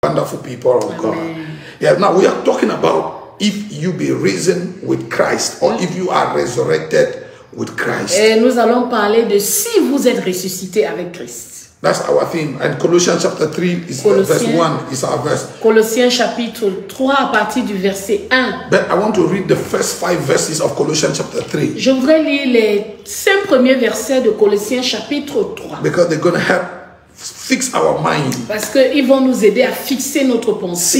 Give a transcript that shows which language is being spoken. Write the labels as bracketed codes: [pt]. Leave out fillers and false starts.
[en] wonderful people of God. Yeah, now we are talking about if you be risen with Christ or if you are resurrected with Christ. [fr] Et nous allons parler de si vous êtes ressuscité avec Christ. [en] That's our theme. And Colossians chapter 3 is verse 1 is our verse. [fr] Colossiens chapitre 3 à partir du verset 1. [en] But I want to read the first 5 verses of Colossians chapter 3. [fr] Je voudrais lire les 5 premiers versets de Colossiens chapitre 3. [en] Because they're going to help fix our mind. [fr] Parce qu'ils vont nous aider à fixer notre pensée.